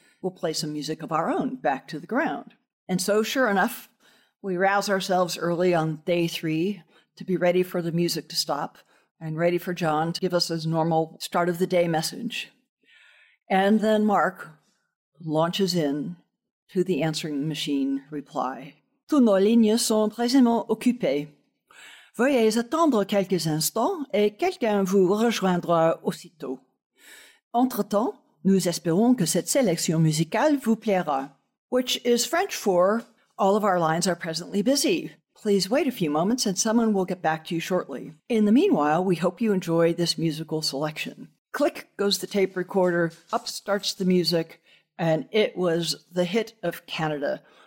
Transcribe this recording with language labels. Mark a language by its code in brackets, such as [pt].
[en] We'll play some music of our own back to the ground. And so, sure enough, we rouse ourselves early on day three to be ready for the music to stop and ready for John to give us his normal start of the day message. And then Mark launches in to the answering machine reply. [fr] Toutes nos lignes sont présentement occupées. Veuillez attendre quelques instants et quelqu'un vous rejoindra aussitôt. Entre-temps, nous espérons que cette sélection musicale vous plaira. [en] Which is French for, all of our lines are presently busy. Please wait a few moments and someone will get back to you shortly. In the meanwhile, we hope you enjoy this musical selection. Click goes the tape recorder, up starts the music, and it was the hit of Canada.